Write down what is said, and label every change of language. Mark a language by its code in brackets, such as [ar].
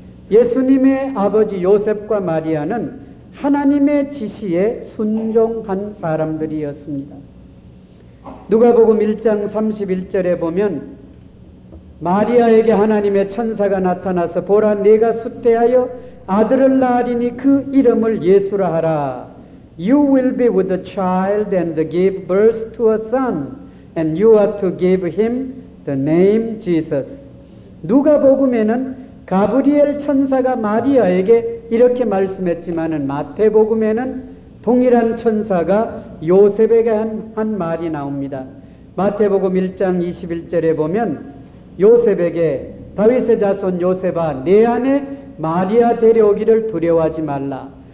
[ko] 예수님의 아버지 요셉과 마리아는 하나님의 지시에 순종한 사람들이었습니다. 누가복음 1장 31절에 보면 마리아에게 하나님의 천사가 나타나서 보라 내가 수태하여 아들을 낳으리니 그 이름을 예수라 하라. [en] You will be with the child and give birth to a son and you are to give him the name Jesus. [ko] 누가복음에는 가브리엘 천사가 마리아에게 이렇게 말씀했지만은 마태복음에는 동일한 천사가 요셉에게 한 말이 나옵니다. 마태복음 1장 21절에 보면 요셉에게 다윗의 자손 요셉아 내 아내 마리아 데려오기를 두려워하지 말라.